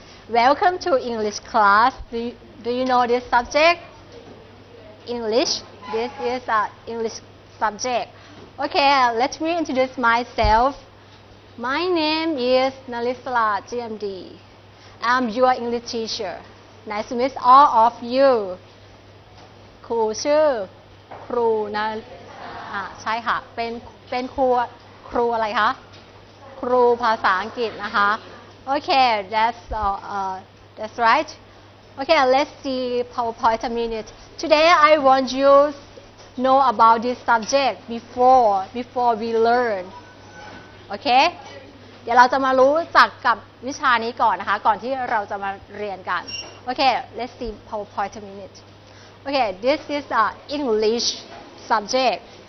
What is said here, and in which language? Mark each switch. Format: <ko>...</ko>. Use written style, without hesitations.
<en>Welcome to English class. Do you know this subject? English. This is an English subject. Okay, let me introduce myself. My name is Nalisla GMD. I'm your English teacher. Nice to meet all of you.</en> <th>ครูชื่อครูนาใช่ค่ะเป็นครูอะไรคะครูภาษาอังกฤษนะคะ</th> <en>Okay, that's right. Okay, let's see PowerPoint a minute. Today, I want you know about this subject before we learn.</en> <th>Okay? เดี๋ยวเราจะมารู้จักกับวิชานี้ก่อนนะคะก่อนที่เราจะมาเรียนกัน</th> <en>Okay, let's see PowerPoint a minute. Okay, this is a English subject.</en>